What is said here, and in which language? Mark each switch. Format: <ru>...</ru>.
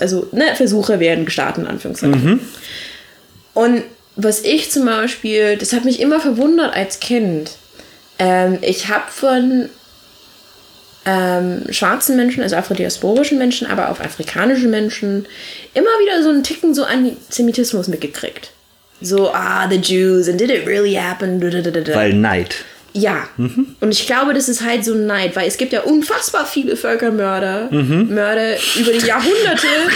<de>Also Versuche werden gestartet, in Anführungszeichen. Und was ich zum Beispiel, das hat mich immer verwundert als Kind. Ich habe von schwarzen Menschen, also afrodiasporischen Menschen, aber auch afrikanischen Menschen, immer wieder so einen Ticken so Antisemitismus mitgekriegt.</de> <en>So, ah, the Jews, and did it really happen?</en> <de>Weil Neid. Ja, mhm. Und ich glaube, das ist halt so ein Neid, weil es gibt ja unfassbar viele Völkermörder, Mörder über die Jahrhunderte.</de>